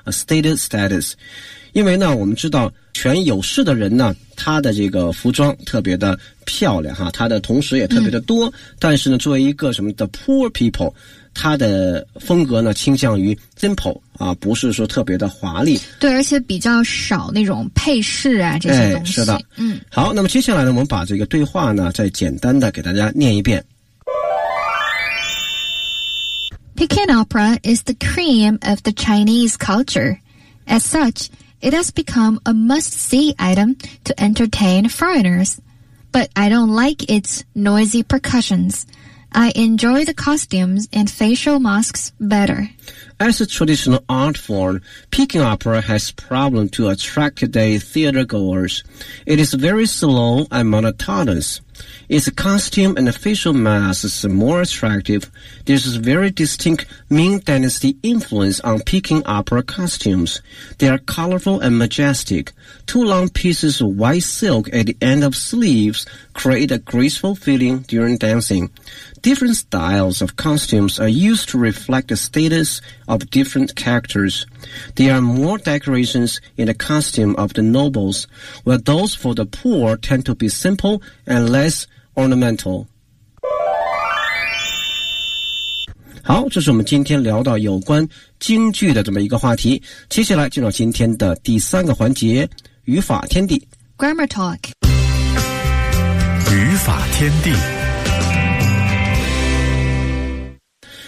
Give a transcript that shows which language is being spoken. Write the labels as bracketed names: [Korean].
[Chinese] status status。 因为呢我们知道权有势的人呢他的这个服装特别的漂亮哈，他的同时也特别的多但是呢作为一个什么的 poor people， 他的风格呢倾向于 simple 啊，不是说特别的华丽，对，而且比较少那种配饰啊这些东西是的好，那么接下来呢我们把这个对话呢再简单的给大家念一遍。 [English] Peking opera is the cream of the Chinese culture. As suchIt has become a must-see item to entertain foreigners. But I don't like its noisy percussions. I enjoy the costumes and facial masks better. As a traditional art form, Peking opera has problems to attract today theatergoers. It is very slow and monotonous. Its costume and facial masks are more attractive. There's a very distinct Ming Dynasty influence on Peking opera costumes. They are colorful and majestic. Two long pieces of white silk at the end of sleeves create a graceful feeling during dancing. Different styles of costumes are used to reflect the status of different characters. There are more decorations in the costume of the nobles, while those for the poor tend to be simple and less ornamental. [Chinese] 好，这是我们今天聊到有关京剧的这么一个话题，接下来进入今天的第三个环节，语法天地。 [English] Grammar Talk [Chinese] 语法天地。